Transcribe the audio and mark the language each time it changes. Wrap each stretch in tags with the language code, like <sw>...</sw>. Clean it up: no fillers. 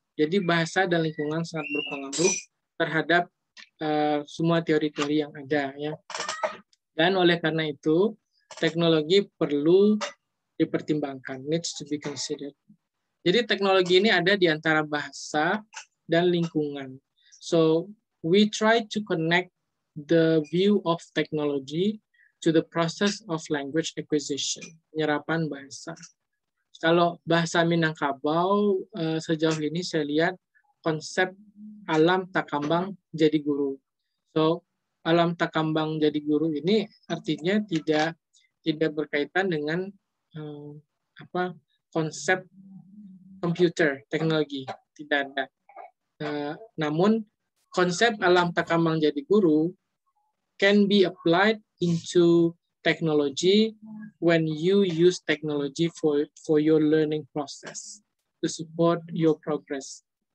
<id>Jadi bahasa dan lingkungan sangat berpengaruh terhadap semua teori-teori yang ada. Ya. Dan oleh karena itu, teknologi perlu dipertimbangkan.</id> <en>Needs to be considered.</en> <id>Jadi teknologi ini ada di antara bahasa dan lingkungan.</id> <en>So, we try to connect the view of technology to the process of language acquisition, penyerapan bahasa.</en> <id>Kalau bahasa Minangkabau, sejauh ini saya lihat konsep alam takambang jadi guru. So, alam takambang jadi guru ini artinya tidak berkaitan dengan konsep komputer, teknologi, tidak ada. Namun, konsep</id> <en>alam takambang jadi guru can be applied into technology when you use technology for your learning process to support your progress.</en>